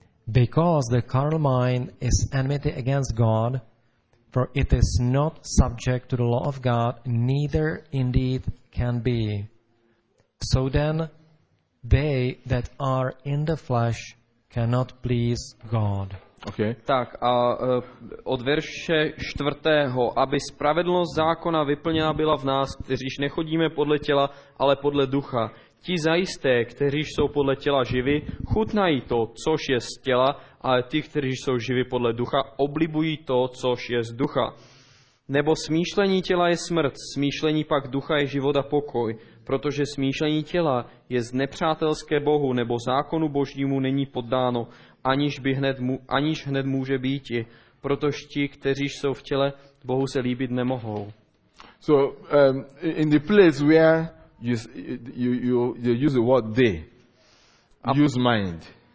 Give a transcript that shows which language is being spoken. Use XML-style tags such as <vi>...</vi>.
<en>Because the carnal mind is enmity against God, for it is not subject to the law of God, neither indeed can be. So then, they that are in the flesh cannot please God. Okay.</en> <cs>Tak a od verše 4. Aby spravedlnost zákona vyplněna byla v nás, kteříž nechodíme podle těla, ale podle ducha. Ti zajisté, kteříž jsou podle těla živi, chutnají to, což je z těla, ale ti, kteří jsou živi podle ducha, oblibují to, což je z ducha. Nebo smýšlení těla je smrt, smýšlení pak ducha je život a pokoj, protože smýšlení těla je znepřátelské Bohu, nebo zákonu Božímu není poddáno, aniž hned může býti, protože ti, kteří jsou v těle, Bohu se líbit nemohou.</cs> <en>So, in the place where you use the word they, use mind.</en>